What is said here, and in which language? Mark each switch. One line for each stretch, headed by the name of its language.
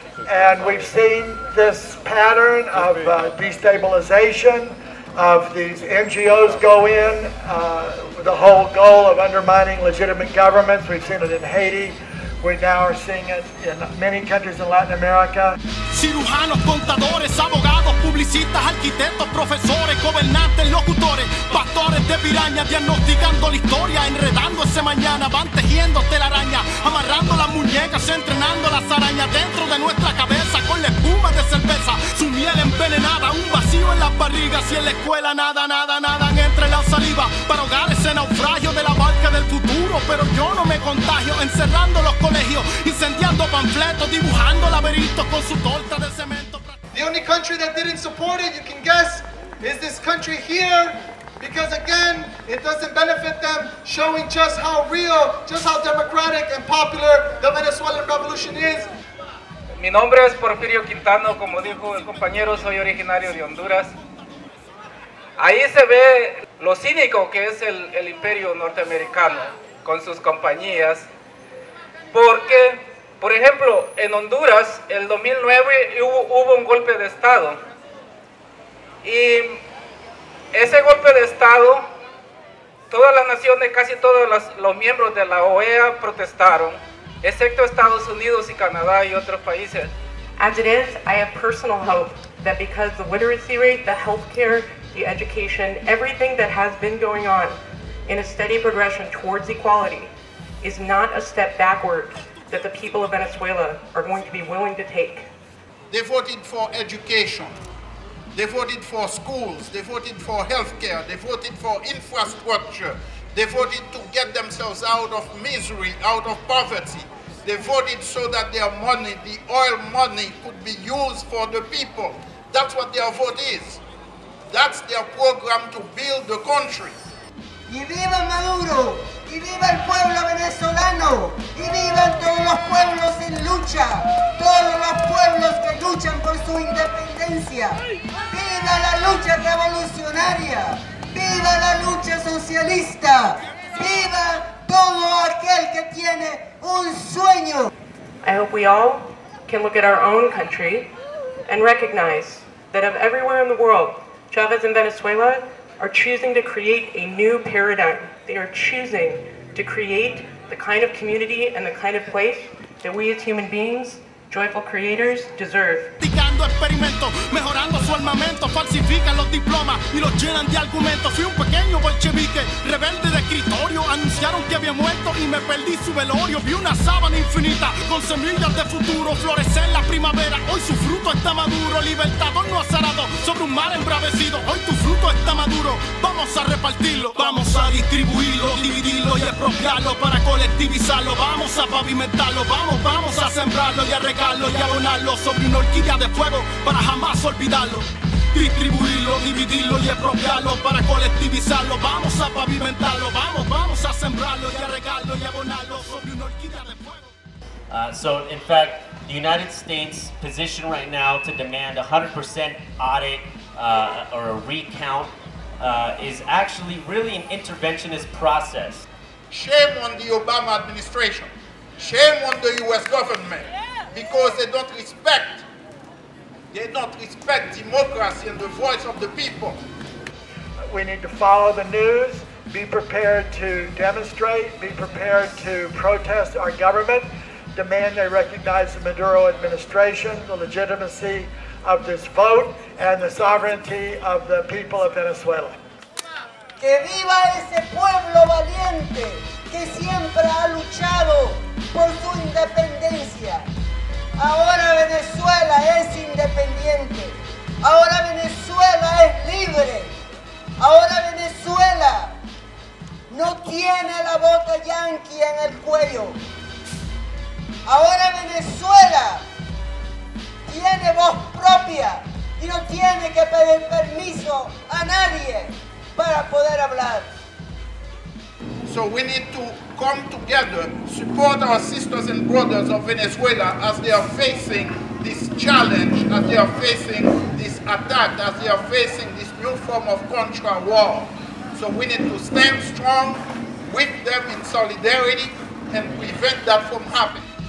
English: And we've seen this pattern of destabilization, of these NGOs go in with the whole goal of undermining legitimate governments. We've seen it in Haiti. We now are seeing it in many countries in Latin America.
Spanish: Cirujanos, contadores, abogados, publicistas, arquitectos, profesores, gobernantes, locutores, pastores de piraña, diagnosticando la historia, enredando ese mañana, van tejiendo telaraña, amarrando las muñecas, entrenando las arañas dentro de nuestra cabeza, con la espuma de cerveza, su miel envenenada, un vacío en las barrigas y en la escuela nada, nada, nada, entre la saliva, para ahogar ese naufragio de la barca del futuro, pero yo no me contagio, encerrando los colegios, incendiando panfletos, dibujando laberintos con su torta.
English: The only country that didn't support it, you can guess, is this country here, because again, it doesn't benefit them, showing just how real, just how democratic and popular the Venezuelan revolution is.
Spanish: Mi nombre es Porfirio Quintano, como dijo el compañero, soy originario de Honduras. Ahí se ve lo cínico que es el imperio norteamericano con sus compañías, porque por ejemplo, en Honduras, el 2009 hubo un golpe de Estado. Y ese golpe de Estado, todas las naciones, casi todos los miembros de la OEA protestaron, excepto Estados Unidos y Canadá y otros países.
English: As it is, I have personal hope that because the literacy rate, the healthcare, the education, everything that has been going on in a steady progression towards equality is not a step backward, that the people of Venezuela are going to be willing to take. They voted for education. They voted for schools. They voted for healthcare. They voted for infrastructure. They voted to get themselves out of misery, out of poverty. They voted so that their money, the oil money, could be used for the people. That's what their vote is. That's their program to build the country.
Spanish: Y viva Maduro! Y viva el pueblo venezolano! Y vivan todos los pueblos en lucha! Todos los pueblos que luchan por su independencia! Viva la lucha revolucionaria! Viva la lucha socialista! Viva todo aquel que tiene un sueño!
English: I hope we all can look at our own country and recognize that of everywhere in the world, Chavez and Venezuela are choosing to create a new paradigm. They are choosing to create the kind of community and the kind of place that we as human beings, joyful creators, deserve.
Spanish: Practicando experimentos, mejorando su armamento, falsifican los diplomas y los llenan de argumentos. Fui un pequeño bolchevique, rebelde de escritorio, anunciaron que había muerto y me perdí su velorio. Vi una sábana infinita con semillas de futuro florecer en la primavera. Hoy su fruto está maduro, libertador no ha zarado sobre un mar embravecido. Hoy tu fruto está maduro, vamos a repartirlo, vamos a distribuirlo, dividirlo y expropiarlo para colectivizarlo. Vamos a pavimentarlo, vamos, vamos a sembrarlo y a regarlo y a abonarlo sobre una orquídea de fuego para jamás olvidarlo. Distribuirlo, dividirlo y expropiarlo para colectivizarlo. Vamos a pavimentarlo, vamos, vamos a sembrarlo y a regarlo y a abonarlo sobre una orquídea de fuego.
English: So in fact, the United States position right now to demand 100% audit or a recount is actually really an interventionist process. Shame on the Obama administration. Shame on the US government, because they don't respect They do not respect democracy and the voice of the people. We need to follow the news, be prepared to demonstrate, be prepared to protest our government, demand they recognize the Maduro administration, the legitimacy of this vote, and the sovereignty of the people of Venezuela.
Spanish: Que viva ese pueblo valiente que siempre ha luchado por su independencia. Ahora Venezuela es independiente. Ahora Venezuela es libre. Ahora Venezuela no tiene la bota yanqui en el cuello. Ahora Venezuela tiene voz propia y no tiene que pedir permiso a nadie para poder hablar.
English: So we need to come together, support our sisters and brothers of Venezuela as they are facing this challenge, as they are facing this attack, as they are facing this new form of contra war. So we need to stand strong with them in solidarity and prevent that from happening.